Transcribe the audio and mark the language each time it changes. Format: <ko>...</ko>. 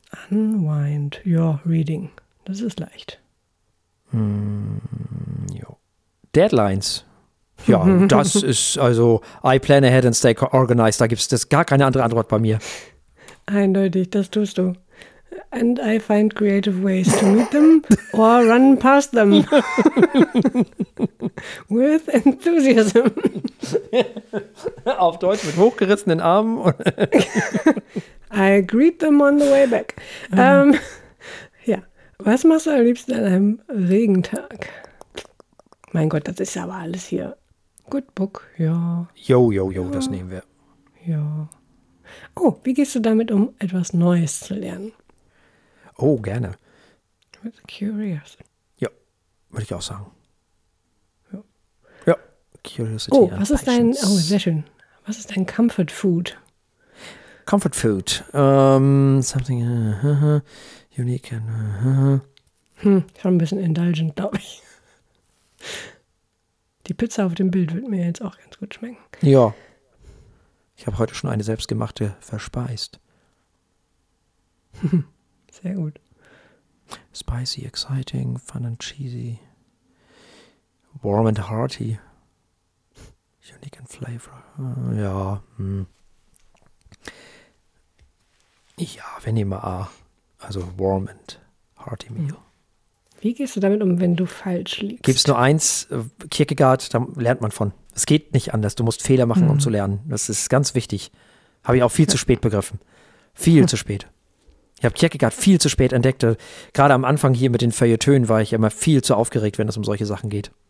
<en>Unwind your reading.</en> <de>Das ist leicht.</de> <en>Jo. Deadlines.</en> <de>Ja, das ist, also,</de> <en>I plan ahead and stay organized.</en> <de>Da gibt es gar keine andere Antwort bei mir. Eindeutig, das tust du.</de> <en>And I find creative ways to meet them or run past them. With enthusiasm.</en> <de>Auf Deutsch mit hochgerissenen Armen.</de> <en>I greet them on the way back.</en> <de>Ja, was machst du am liebsten an einem Regentag? Mein Gott, das ist aber alles hier.</de> <en>Good book, ja.</en> <de>Jo, jo, jo, das nehmen wir. Ja. Oh, wie gehst du damit um, etwas Neues zu lernen? Oh, gerne.</de> <en>With curious.</en> <de>Ja, würde ich auch sagen. Ja. Ja, curiosity. Oh, was ist dein, oh, sehr schön. Was ist dein Comfort Food?</de> <en>Comfort Food. Something unique and</en> <de>Schon ein bisschen indulgent, glaube ich. Die Pizza auf dem Bild wird mir jetzt auch ganz gut schmecken. Ja. Ich habe heute schon eine selbstgemachte verspeist. Sehr gut.</de> <en>Spicy, exciting, fun and cheesy. Warm and hearty. Unique in flavor. Ja. Hm.</en> <de>Ja, wenn ihr mal A.</de> <en>Also warm and hearty meal.</en> <de>Wie gehst du damit um, wenn du falsch liegst? Gibt es nur eins, Kierkegaard, da lernt man von. Es geht nicht anders. Du musst Fehler machen, um zu lernen. Das ist ganz wichtig. Habe ich auch viel zu spät begriffen. Viel zu spät. Ich habe Kierkegaard viel zu spät entdeckt. Gerade am Anfang hier mit den Feuilletönen war ich immer viel zu aufgeregt, wenn es um solche Sachen geht.</de>